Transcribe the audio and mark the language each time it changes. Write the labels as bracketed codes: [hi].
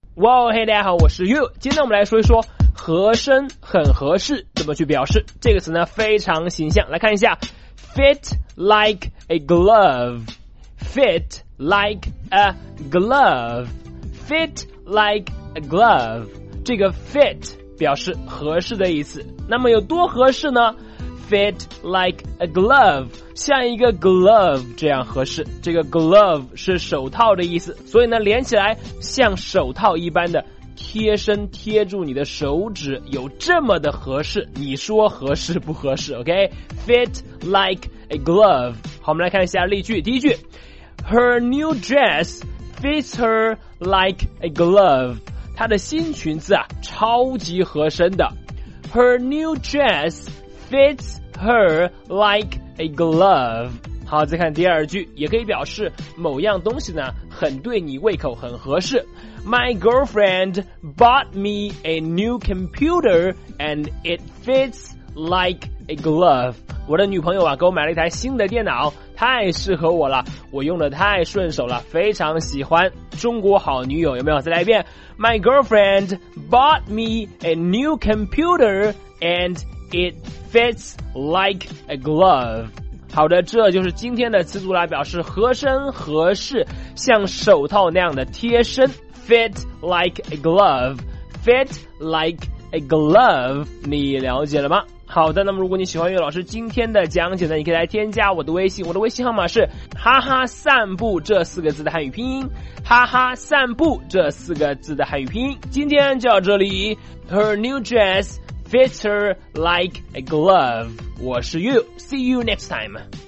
[zh] 哇嘿，大家好，我是 You。今天我们来说一说和声很合适怎么去表示。这个词呢非常形象，来看一下 [en] Fit like a glove， Fit like a glove， Fit like a glove。 [zh] 这个 fit 表示合适的意思，那么有多合适呢？ [en] Fit like a glove， [zh] 像一个 [en] glove [zh] 这样合适。这个 glove 是手套的意思，所以呢连起来像手套一般的贴身贴住你的手指，有这么的合适，你说合适不合适？ [en] OK， Fit like a glove。 [zh] 好，我们来看一下例句。 [en] 第一句， Her new dress fits her like a glove， [zh] 她的新裙子啊超级合身的。 [en] Her new dress fits her like a glove。 [zh] 好，再看第二句，也可以表示某样东西呢很对你胃口，很合适。 [en] My girlfriend bought me a new computer and it fits like a glove。 [zh] 我的女朋友啊给我买了一台新的电脑，太适合我了，我用的太顺手了，非常喜欢。中国好女友，有没有？再来一遍。 [en] My girlfriend bought me a new computer and it fits like a glove。 [zh] 好的，这就是今天的词组来表示合身合适，像手套那样的贴身。 [en] Fit like a glove， Fit like a glove， [zh] 你了解了吗？好的，那么如果你喜欢岳老师今天的讲解呢，你可以来添加我的微信，我的微信号码是哈哈散步这四个字的汉语拼音，哈哈散步这四个字的汉语拼音。今天就到这里， [en] Her new dress fits her like a glove。 [zh] 我是 [en] You， See you next time。